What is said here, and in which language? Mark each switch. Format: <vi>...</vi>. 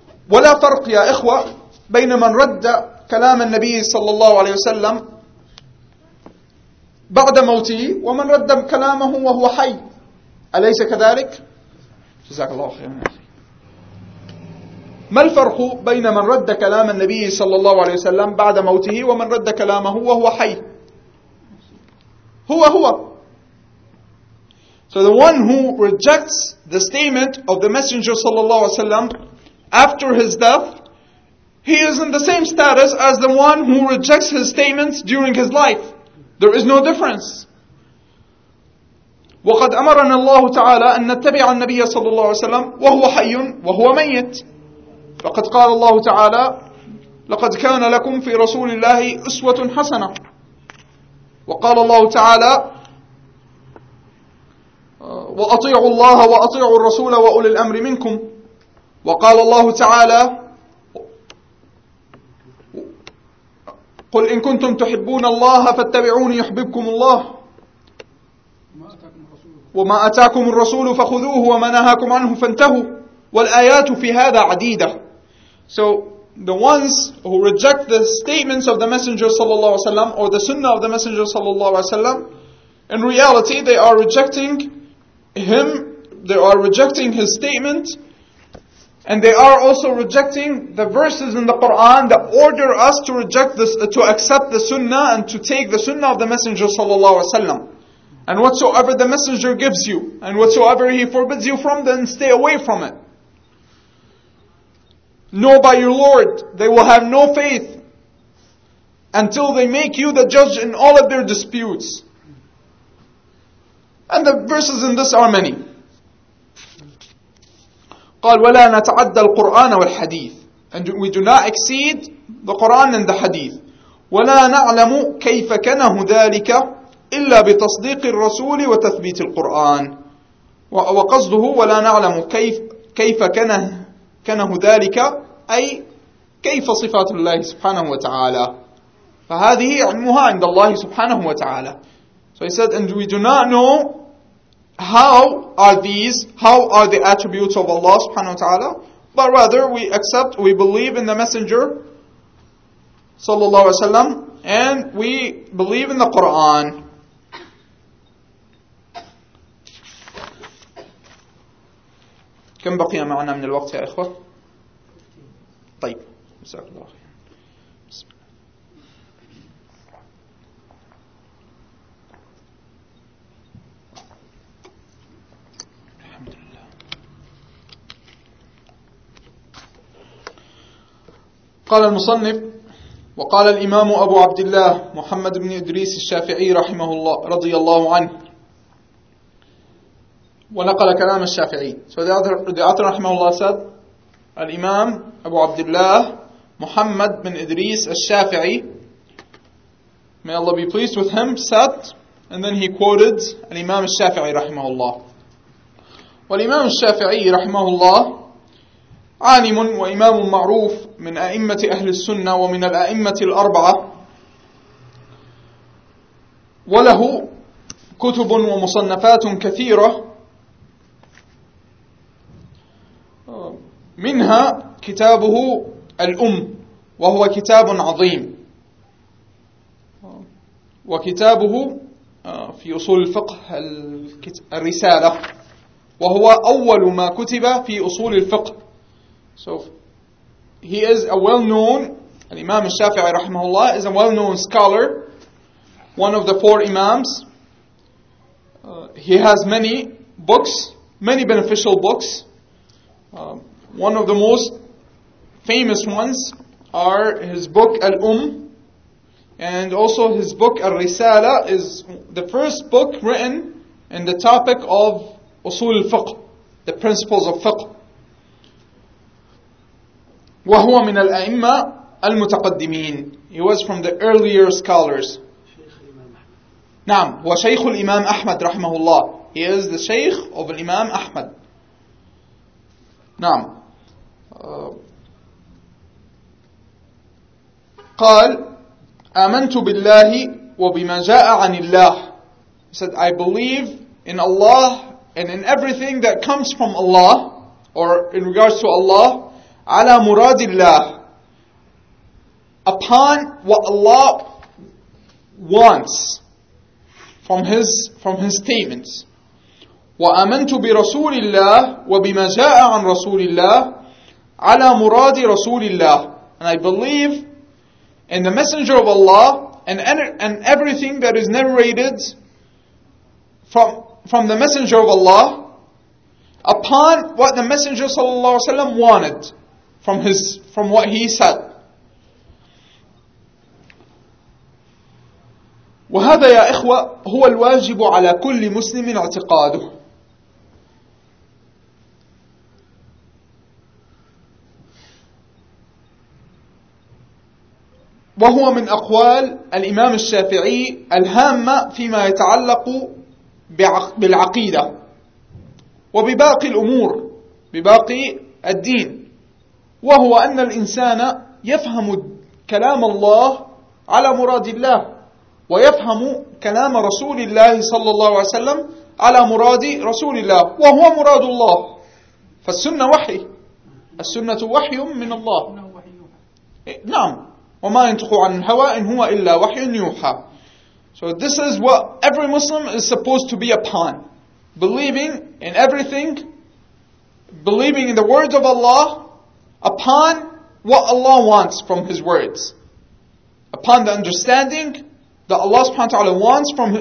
<ar>ولا فرق يا إخوة بين من رد كلام النبي صلى الله عليه وسلم بعد موته ومن رد كلامه وهو حي, أليس كذلك؟ جزاك الله خير. ما الفرق بين من رد كلام النبي صلى الله عليه وسلم بعد موته ومن رد كلامه وهو حي؟ هو.</ar> <en>So the one who rejects the statement of the messenger</en> <ar>صلى الله عليه وسلم</ar> <en>after his death, he is in the same status as the one who rejects his statements during his life. There is no difference.</en> <ar>وقد أمرنا الله تعالى أن نتبع النبي صلى الله عليه وسلم وهو حي وهو ميت. فقد قال الله تعالى لقد كان لكم في رسول الله أسوة حسنة. وقال الله تعالى وأطيعوا الله وأطيعوا الرسول وأولي الأمر منكم. وقال الله تعالى قل إن كنتم تحبون الله فاتبعوني يحببكم الله وما أتاكم الرسول فخذوه وما نهاكم عنه فانتهوا, والآيات في هذا عديدة.</ar> <en>So the ones who reject the statements of the messenger</en> <ar>صلى الله عليه وسلم</ar> <en>or the sunnah of the messenger صلى الله عليه وسلم, in reality they are rejecting him, they are rejecting his statement, and they are also rejecting the verses in the Quran that order us to reject this, to accept the sunnah and to take the sunnah of the messenger sallallahu alaihi wasallam. And whatsoever the messenger gives you and whatsoever he forbids you from, then stay away from it. Know by your Lord, they will have no faith until they make you the judge in all of their disputes. And the verses in this are many.</en> <ar>قال ولا نتعدى القرآن والحديث,</ar> <en>and we do not exceed the Quran and the Hadith.</en> <ar>ولا نعلم كيف كنه ذلك إلا بتصديق الرسول وتثبيت القرآن. وقصده ولا نعلم كيف كنه ذلك, أي كيف صفات الله سبحانه وتعالى. فهذه علمها عند الله سبحانه وتعالى.</ar> <en>So he said, and we do not know how are the attributes of Allah subhanahu wa ta'ala, but rather we accept, we believe in the Messenger sallallahu alaihi wasallam, and we believe in the Quran.</en> <ar>كم بقي معنا من الوقت يا إخوة؟ طيب مساك الله. قال المصنف وقال الإمام أبو عبد الله محمد بن إدريس الشافعي رحمه الله رضي الله عنه ونقل كلام الشافعي.</ar> <en>So the author</en> <ar>رحمه الله</ar> <en>said الإمام أبو عبد الله محمد بن إدريس الشافعي may Allah be pleased with him said, and then he quoted الإمام الشافعي رحمه الله.</en> <ar>والإمام الشافعي رحمه الله عالم وإمام معروف من أئمة أهل السنة ومن الأئمة الأربعة وله كتب ومصنفات كثيرة منها كتابه الأم وهو كتاب عظيم وكتابه في أصول الفقه الرسالة وهو أول ما كتب في أصول الفقه.</ar> <en>So he is a well-known, Imam al-Shafi'i rahimahullah is a well-known scholar, one of the four imams. He has many books, many beneficial books. One of the most famous ones are his book Al-Umm, and also his book Al-Risala is the first book written in the topic of Usul al-Fiqh, the principles of Fiqh.</en> <ar>وهو من الأئمة المتقدمين.</ar> <en>He was from the earlier scholars.</en> <ar>نعم هو شيخ الإمام أحمد رحمه الله.</ar> <en>He is the شيخ of الإمام أحمد.</en> <ar>نعم. قال آمنت بالله وبما جاء عن الله.</ar> <en>He said I believe in Allah and in everything that comes from Allah or in regards to Allah.</en> <ar>على مراد الله</ar> <en>upon what Allah wants from his statements</en> <ar>وآمنت برسول الله وبما جاء عن رسول الله</ar> <en>على مراد رسول الله and I believe in the messenger of Allah and everything that is narrated from the messenger of Allah upon what the messenger</en> <ar>صلى الله عليه وسلم</ar> <en>wanted from what he said.</en> <ar>وهذا يا إخوة هو الواجب على كل مسلم اعتقاده. وهو من أقوال الإمام الشافعي الهامة فيما يتعلق بالعقيدة وبباقي الأمور بباقي الدين. وهو أن الإنسان يفهم كلام الله على مراد الله ويفهم كلام رسول الله صلى الله عليه وسلم على مراد رسول الله وهو مراد الله فالسنة وحي السنة وحي من الله نعم وما ينطق عن الهوى إن هو إلا وحي يوحى.</ar> <en>So this is what every Muslim is supposed to be upon, believing in everything, believing in the words of Allah upon what Allah wants from His words, upon the understanding that Allah subhanahu wa ta'ala wants</en>